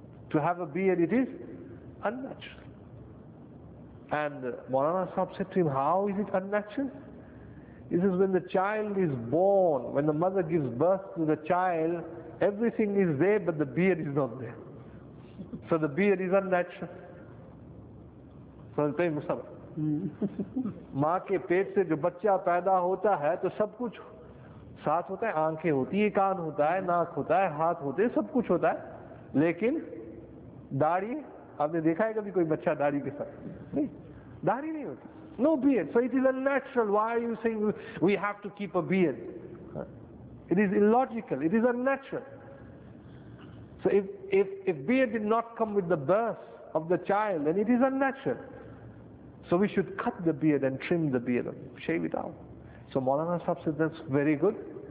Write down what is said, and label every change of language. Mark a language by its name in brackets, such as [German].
[English] To have a beard, it is unnatural. And Maulana Sahab said to him, how is it unnatural? He says, when the child is born, when the mother gives birth to the child, everything is there, but the beard is not there. So the beard is unnatural. So I'll tell you something. [Hindi] माँ के पेट से जो बच्चा पैदा होता है तो सब कुछ साथ होता है, आंखें होती है, कान होता है, नाक होता है, हाथ होते हैं, सब कुछ होता है, लेकिन दाढ़ी, आपने देखा है कभी कोई बच्चा दाढ़ी के साथ? नहीं, दाढ़ी नहीं होती. [English] No beard. So it is unnatural. Why are you saying we have to keep a beard? It is illogical. It is unnatural. So if beard did not come with the birth of the child, then it is unnatural. So we should cut the beard and trim the beard and shave it out. So Maulana Sahib said, that's very good.